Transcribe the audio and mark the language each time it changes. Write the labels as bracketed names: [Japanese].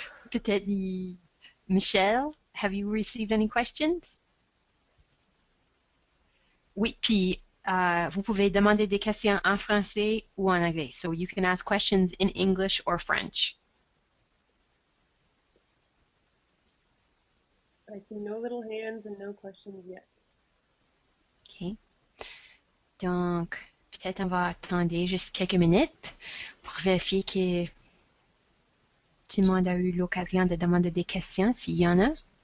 [French] Peut-être [English] Michel, have you received any questions? [French] Oui, puis vous pouvez demander des questions en français ou en anglais. [English] So you can ask questions in English or French. I see no little hands and no questions yet. OK. [French] Donc, peut-être on va attendre juste quelques minutes pour vérifier que tout le monde a eu l'occasion de demander des questions, s'il y en a.